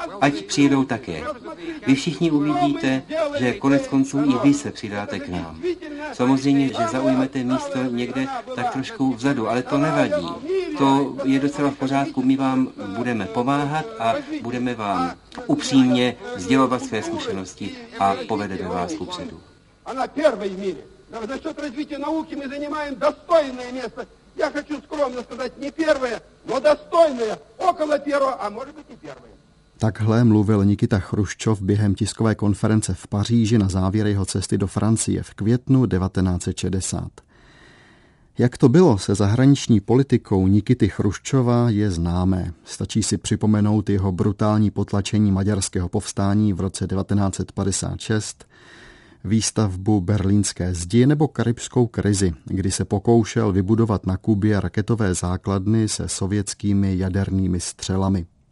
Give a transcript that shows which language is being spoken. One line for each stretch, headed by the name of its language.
Czech: Ať přijedou také. Vy všichni uvidíte, že konec konců i vy se přidáte k nám. Samozřejmě, že zaujmete místo někde tak trošku vzadu, ale to nevadí. To je docela v pořádku. My vám budeme pomáhat a budeme vám upřímně sdělovat své zkušenosti a povedeme vás kupředu.
Russian: A na první míře. Za счет развития науки мы занимаем достойное место я хочу скромно сказать, не первое, но достойное, около первого, а может быть и первое.
Czech: Takhle mluvil Nikita Chruščov během tiskové konference v Paříži na závěr jeho cesty do Francie v květnu 1960. Jak to bylo se zahraniční politikou Nikity Chruščova je známé. Stačí si připomenout jeho brutální potlačení maďarského povstání v roce 1956, výstavbu berlínské zdi nebo karibskou krizi, kdy se pokoušel vybudovat na Kubě raketové základny se sovětskými jadernými střelami.